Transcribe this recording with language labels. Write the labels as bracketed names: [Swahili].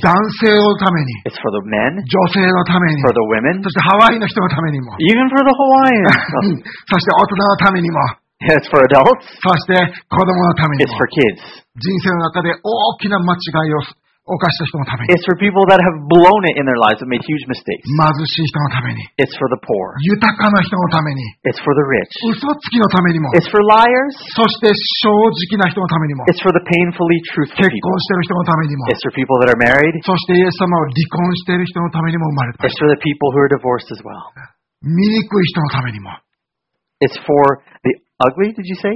[Japanese] 男性のために。 [English] It's for the men. [Japanese] 女性のために。 [English] For the women. [Japanese] そしてハワイの人のためにも。 [English] Even for the Hawaiians. [Japanese] そして大人のためにも。 [English] It's for adults. [Japanese] そして子供のためにも。 [English] It's for kids. [Japanese] 人生の中で大きな間違いを犯した人のために。 [English] It's for people that have blown it in their lives and made huge mistakes. [Japanese] 貧しい人のために。 [English] It's for the poor. [Japanese] 豊かな人のために。 [English] It's for the rich. [Japanese] 嘘つきのためにも。 [English] It's for liars. [Japanese] そして正直な人のためにも。 [English] It's for the painfully truthful people. [Japanese] 結婚している人のためにも。 [English] It's for people that are married. [Japanese] そしてイエス様を離婚している人のためにも生まれた。 [English] It's for the people who are divorced as well. [Japanese] 醜い人のためにも。 [English] It's for the ugly, did you say?